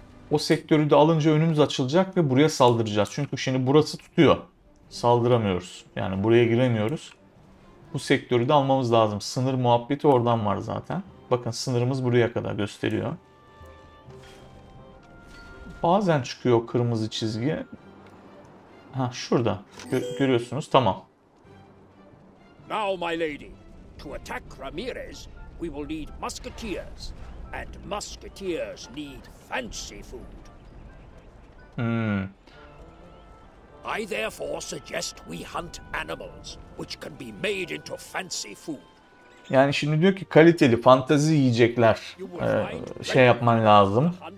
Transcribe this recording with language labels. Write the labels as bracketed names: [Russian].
[Turkish] O sektörü de alınca önümüz açılacak ve buraya saldıracağız. Çünkü şimdi burası tutuyor. saldıramıyoruz. Yani buraya giremiyoruz. Bu sektörü de almamız lazım. Sınır muhabbeti oradan var zaten. Bakın sınırımız buraya kadar gösteriyor. Bazen çıkıyor kırmızı çizgi. Ha şurada. Görüyorsunuz. Tamam. [English] Now my lady, to attack Ramirez, we will need musketeers. And musketeers need fancy food. Hmm. I therefore suggest we hunt animals which can be made into fancy food. [Turkish] Yani şimdi diyor ki kaliteli fantezi yiyecekler şey yapman lazım.